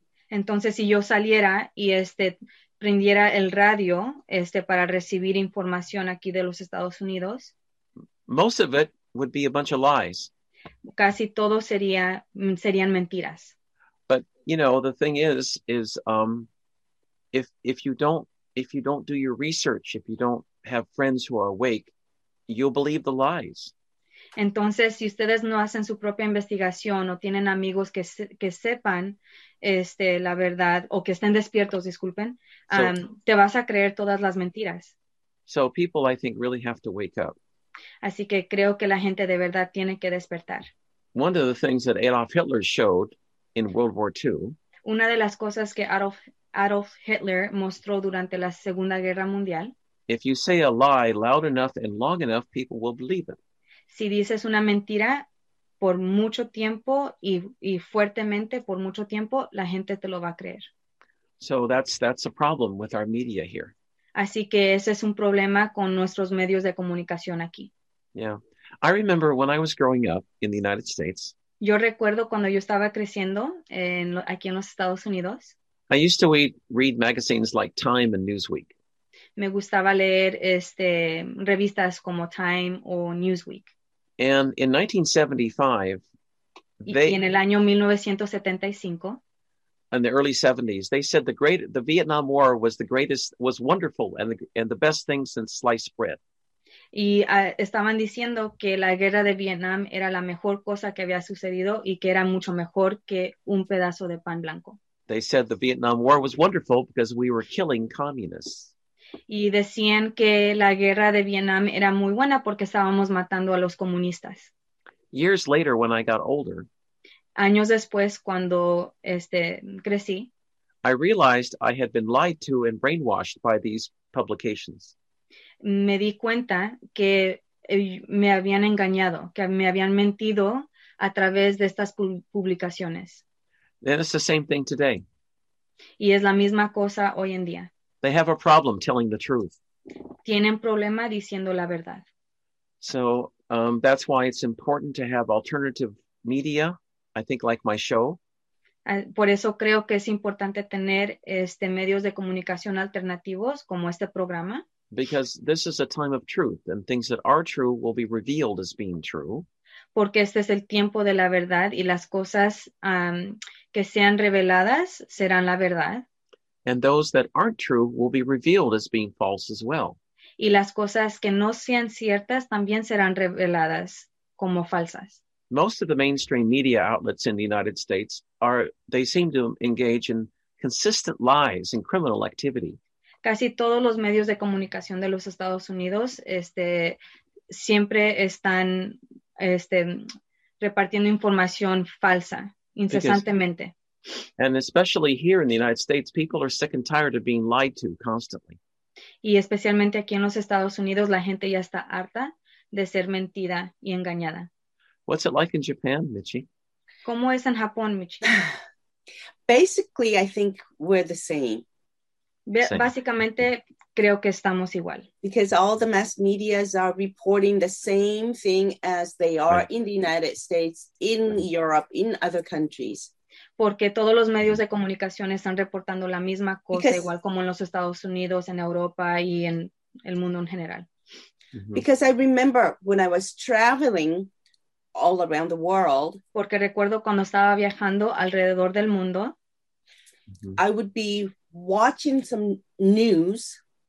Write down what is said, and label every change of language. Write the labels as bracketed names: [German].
[Spanish] Entonces, si yo saliera y prendiera el radio para recibir información aquí de los Estados Unidos. [English] Most of it would be a bunch of lies. [Spanish] Casi todo serían mentiras. [English] But, you know, the thing is If you don't do your research, if you don't have friends who are awake, you'll believe the lies. [Spanish] Entonces, si ustedes no hacen su propia investigación o tienen amigos que sepan la verdad o que estén despiertos, disculpen, te vas a creer todas las mentiras. [English] So people, I think, really have to wake up. [Spanish] Así que creo que la gente de verdad tiene que despertar. [English] One of the things that Adolf Hitler showed in World War II. [Spanish] Una de las cosas que Adolf Hitler mostró durante la Segunda Guerra Mundial. [English] If you say a lie loud enough and long enough, people will believe it. [Spanish] Si dices una mentira por mucho tiempo y fuertemente por mucho tiempo, la gente te lo va a creer. [English] So that's a problem with our media here. [Spanish] Así que ese es un problema con nuestros medios de comunicación aquí. [English] Yeah. I remember when I was growing up in the United States. [Spanish] Yo recuerdo cuando yo estaba creciendo aquí en los Estados Unidos. [English] I used to read magazines like Time and Newsweek. [Spanish] Me gustaba leer revistas como Time o Newsweek. [English] And in 1975, [Spanish] y en el año 1975, [English] in the early 70s, they said the Vietnam War was the greatest, was wonderful, and the best thing since sliced bread. [Spanish] Y estaban diciendo que la guerra de Vietnam era la mejor cosa que había sucedido y que era mucho mejor que un pedazo de pan blanco. [English] They said the Vietnam War was wonderful because we were killing communists. [Spanish] Y decían que la guerra de Vietnam era muy buena porque estábamos matando a los comunistas. [English] Years later, when I got older, [Spanish] años después, cuando crecí, [English] I realized I had been lied to and brainwashed by these publications. [Spanish] Me di cuenta que me habían engañado, que me habían mentido a través de estas publicaciones. [English] And it's the same thing today. [Spanish] Y es la misma cosa hoy en día. [English] They have a problem telling the truth. [Spanish] Tienen problema diciendo la verdad. [English] So that's why it's important to have alternative media, I think, like my show. [Spanish] Por eso creo que es importante tener este medios de comunicación alternativos como este programa. [English] Because this is a time of truth, and things that are true will be revealed as being true. [Spanish] Porque este es el tiempo de la verdad, y las cosas que sean reveladas serán la verdad. [English] And those that aren't true will be revealed as being false as well. [Spanish] Y las cosas que no sean ciertas también serán reveladas como falsas. [English] Most of the mainstream media outlets in the United States they seem to engage in consistent lies and criminal activity. [Spanish] Casi todos los medios de comunicación de los Estados Unidos siempre están repartiendo información falsa incesantemente. [English] And especially here in the United States, people are sick and tired of being lied to constantly. [Spanish] Y especialmente aquí en los Estados Unidos, la gente ya está harta de ser mentida y engañada. [English] What's it like in Japan, Michi? [Spanish] ¿Cómo es en Japón, Michi? [English] Basically, I think we're the same. [Spanish] Básicamente, creo que estamos igual. [English] Because all the mass medias are reporting the same thing as they are right. In the United States, in right. Europe, in other countries. [Spanish] Porque todos los medios de comunicación están reportando la misma cosa, [English] because, [Spanish] igual como en los Estados Unidos, en Europa y en el mundo en general. [English] Because I remember when I was traveling all around the world. [Spanish] Porque recuerdo cuando estaba viajando alrededor del mundo. [English] I would be watching some news.